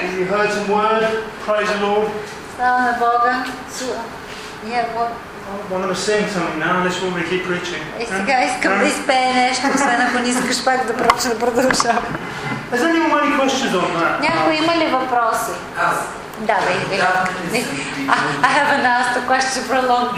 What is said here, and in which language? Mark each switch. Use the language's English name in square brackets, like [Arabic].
[English] Have you heard some word? Praise the Lord. [Bulgarian] Слава на Бога. [English] Yeah, what? I want to sing something now, and this woman keep preaching. [Bulgarian] И сега искам да изпее нещо, освен ако не искаш пак да проча да продължава. [English] Has anyone any questions on that? [Bulgarian] Някой има ли въпроси? Аз. Да, бе. [English] I haven't asked a question for a long time.